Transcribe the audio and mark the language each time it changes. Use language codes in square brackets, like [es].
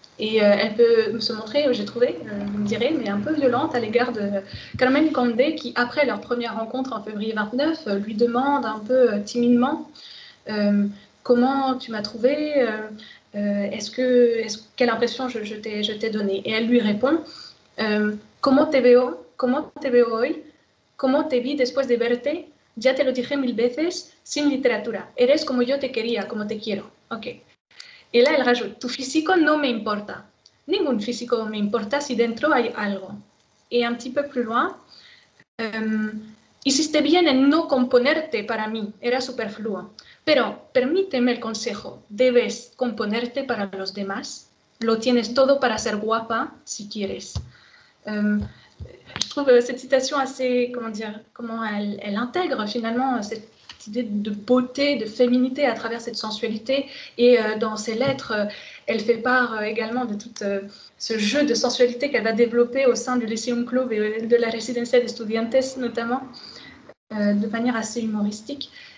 [fr] Et elle peut se montrer, j'ai trouvé, vous me direz, mais un peu violente à l'égard de Carmen Condé, qui, après leur première rencontre en février 29, lui demande un peu timidement « Comment tu m'as trouvé quelle impression je t'ai donnée ?» Et elle lui répond « [es] Comment te veo hoy ?» Comment te vi después de verte? Ya te lo dije mil veces, sin literatura. Eres como yo te quería, como te quiero. Ok. [fr] Et là, elle rajoute, [es] tu físico no me importa. Ningún físico me importa si dentro hay algo. [fr] Et un petit peu plus loin, [es] hiciste bien en no componerte para mí. Era superfluo. Pero permíteme el consejo. Debes componerte para los demás. Lo tienes todo para ser guapa, si quieres. [fr] Je trouve cette citation assez, comment elle intègre finalement cette idée de beauté, de féminité à travers cette sensualité. Et dans ses lettres, elle fait part également de tout ce jeu de sensualité qu'elle va développer au sein du Lyceum Club et de la Residencia de Estudiantes notamment, de manière assez humoristique.